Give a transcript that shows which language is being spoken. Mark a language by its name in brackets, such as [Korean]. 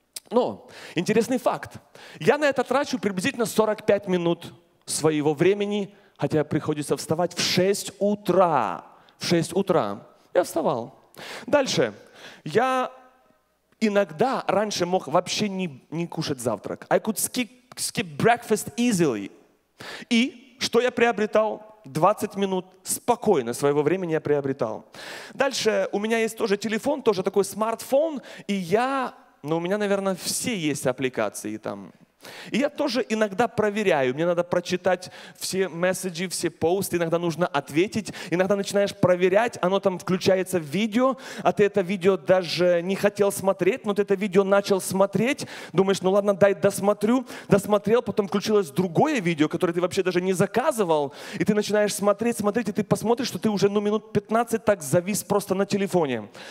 [Russian] Но интересный факт. Я на это трачу приблизительно 45 минут своего времени, хотя приходится вставать в 6 утра. В 6 утра я вставал. Дальше. Я иногда раньше мог вообще не кушать завтрак. [English] I could skip breakfast easily. [Russian] И что я приобретал? 20 минут спокойно своего времени я приобретал. Дальше, у меня есть тоже телефон, тоже такой смартфон, и я, ну у меня, наверное, все есть аппликации там. И я тоже иногда проверяю, мне надо прочитать все месседжи, все посты, иногда нужно ответить, иногда начинаешь проверять, оно там включается в видео, а ты это видео даже не хотел смотреть, но ты это видео начал смотреть, думаешь, ну ладно, дай досмотрю, досмотрел, потом включилось другое видео, которое ты вообще даже не заказывал, и ты начинаешь смотреть, и ты посмотришь, что ты уже ну, минут 15 так завис просто на телефоне.